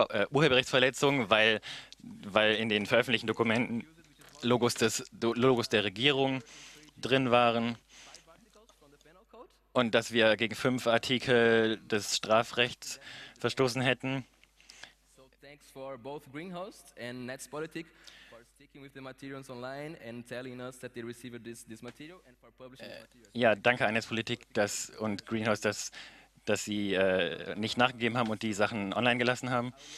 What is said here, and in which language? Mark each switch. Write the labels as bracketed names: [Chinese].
[German] Urheberrechtsverletzungen, weil in den veröffentlichten Dokumenten Logos der Regierung drin waren und dass wir gegen 5 Artikel des Strafrechts verstoßen hätten. [English] So, thanks for both Greenhost and Netzpolitik for sticking with the materials online and telling us that they received this material and for publishing the material. [German] Ja, danke an Netzpolitik und Greenhost, dass sie nicht nachgegeben haben und die Sachen online gelassen haben.